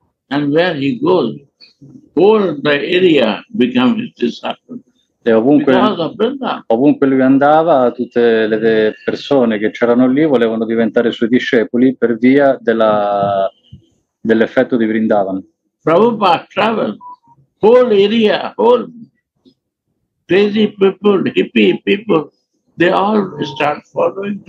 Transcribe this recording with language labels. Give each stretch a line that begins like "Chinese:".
English: And where he goes, all the area becomes his disciple.
Italian: E ovunque lui andava, tutte le persone che c'erano lì volevano diventare suoi discepoli per via dell'effetto di Vrindavan.
English: Prabhupada traveled. Whole area, whole crazy people, hippie people, they all start following